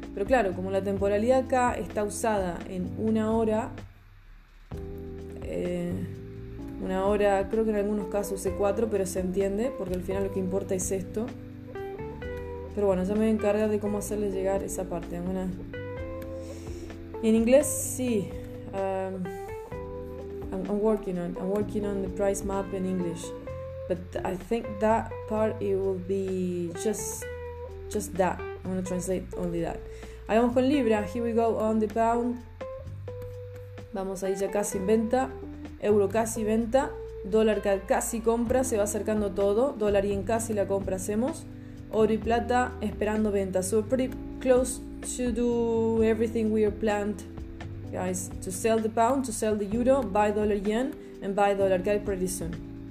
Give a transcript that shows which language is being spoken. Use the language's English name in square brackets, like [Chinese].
[Spanish] Pero claro, como la temporalidad acá está usada en una hora, creo que en algunos casos usé cuatro, pero se entiende, porque al final lo que importa es esto. Pero bueno, ya me voy a encargar de cómo hacerles llegar esa parte. En inglés, sí. [English] I'm working on the price map in English. But I think that part, it will be just that. I'm going to translate only that. [Spanish] Ahí vamos con libra. [English] Here we go on the pound. [Spanish] Vamos ahí ya casi en venta. Euro casi venta, dólar casi compra, se va acercando todo, dólar y en casi la compra hacemos, oro y plata esperando venta. [English] So pretty close to do everything we are planned, guys, to sell the pound, to sell the euro, buy dollar yen and buy dollar guy pretty soon.